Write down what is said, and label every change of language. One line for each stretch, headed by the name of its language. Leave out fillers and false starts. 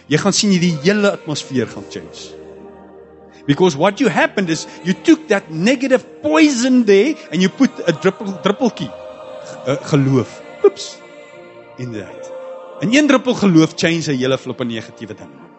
Afrikaans: Jy gaan sien die hele atmosfeer gaan change.
English: Because what you happened is, you took that negative poison there, and you put a
Afrikaans: drippelkie, geloof,
English: oops, in that.
Afrikaans: En een druppel geloof change die hele flippe negatieve ding.